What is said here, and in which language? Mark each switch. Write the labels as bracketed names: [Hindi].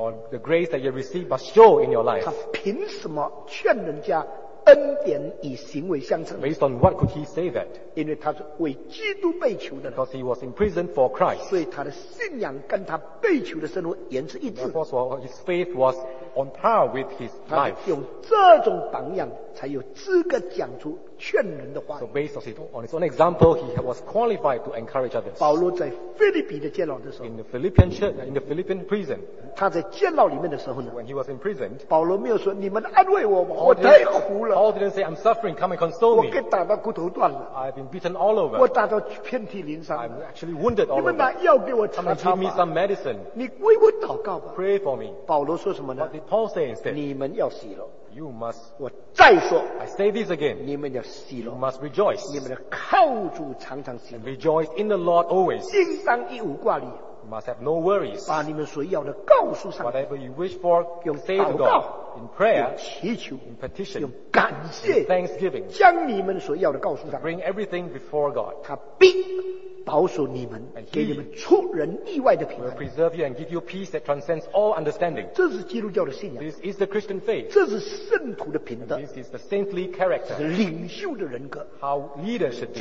[English] The grace that you receive must show in your life. [Chinese] 他凭什么劝人家?恩典以行为相称. [English] Based on what could he say that? [Chinese] 因为他是为基督被囚的人. [English] Because he was imprisoned for Christ. [Chinese] 所以他的信仰跟他被囚的生活言之一致. [English] Therefore, his faith was on par with his life. [Chinese] 他用这种榜样才有资格讲出劝人的话语. [English] So based on his own example, he was qualified to encourage others. [Chinese] 保罗在菲律宾的监牢的时候, [English] in the Philippian prison. [Chinese] 他在监牢里面的时候呢, [English] when he was imprisoned, [Chinese] 保罗没有说, 你们安慰我吧, [English] Paul didn't say, I'm suffering, come and console me. I've been beaten all over. I'm actually wounded all over. Come and give me some medicine. Pray for me. [Chinese] 保罗说什么呢? [English] What did Paul say instead? [Chinese] 你们要死咯, [English] you must. [Chinese] 我再说, [English] I say this again. [Chinese] 你们要死咯, [English] you must rejoice. [Chinese] 你们要靠主常常喜乐, [English] and rejoice in the Lord always. [Chinese] 应当一无挂虑, [English] you must have no worries. [Chinese] 把你们所要的告诉上帝, [English] whatever you wish for, [Chinese] 用祷告, [English] say to God. In prayer, [Chinese] 用祈求, [English] in petition, [Chinese] 用感谢, [English] in thanksgiving, [Chinese] 将你们所要的告诉上帝, [English] to bring everything before God. [Chinese] 他必保守你们, [English] and he will preserve you and give you peace that transcends all understanding. [Chinese] 这是基督教的信仰, [English] this is the Christian faith. [Chinese] 这是圣徒的品德, [English] and this is the saintly character. [Chinese] 领袖的人格, [English] how leaders should be.